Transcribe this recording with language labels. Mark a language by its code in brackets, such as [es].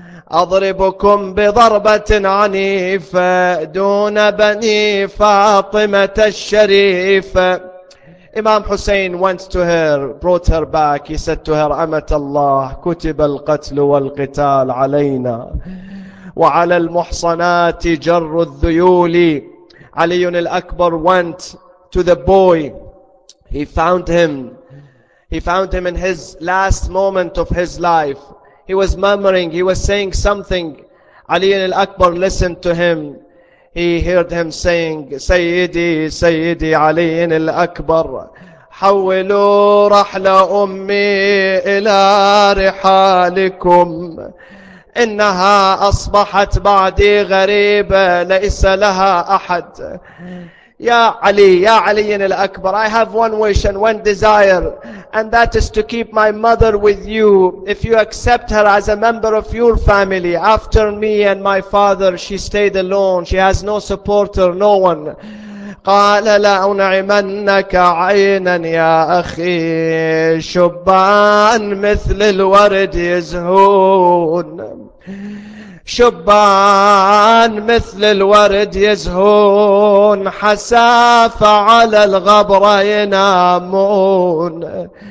[ar] أضربكم بضربة عنيفة دون بني فاطمة الشريف. [en] Imam Hussein went to her, brought her back. He said to her, [ar] أمت الله كتب القتل والقتال علينا وعلى المحصنات جر الذيول. [en] علي الأكبر went to the boy. He found him in his last moment of his life. He was murmuring, he was saying something. Ali al-Akbar listened to him. He heard him saying, [ar] Sayyidi, Sayyidi Ali al-Akbar, حولوا رحل أمي إلى رحالكم إنها أصبحت بعدي غريبة ليس لها أحد. [en] Ya Ali al-Akbar, I have one wish and one desire, and that is to keep my mother with you. If you accept her as a member of your family, after me and my father, she stayed alone. She has no supporter, no one. [ar] قال لأنعمنك عينا يا أخي شبان مثل الورد يزهون. شبان مثل الورد يزهون حسافة على الغبرة ينامون.